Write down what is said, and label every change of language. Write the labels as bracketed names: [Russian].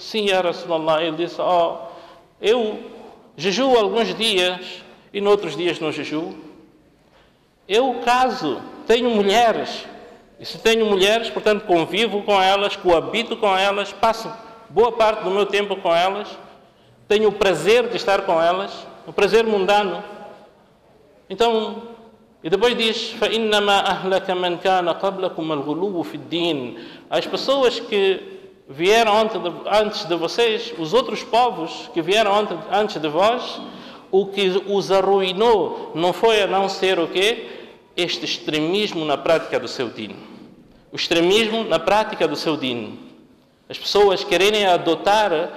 [Portuguese] Sim, ya Rasulallah. Ele disse: oh, eu jejuo alguns dias e noutros dias não jejuo. Eu caso, tenho mulheres, e se tenho mulheres, portanto, convivo com elas, coabito com elas, passo boa parte do meu tempo com elas, tenho o prazer de estar com elas, o prazer mundano. Então, e depois diz: [Arabic] فَإِنَّمَا أَهْلَكَ مَنْ كَانَ قَبْلَكُمَ الْغُلُوُّ فِي الدِّينِ. [Portuguese] As pessoas que vieram antes de vocês, os outros povos que vieram antes de vós, o que os arruinou não foi a não ser o quê? Este extremismo na prática do seu din. O extremismo na prática do seu din. As pessoas quererem adotar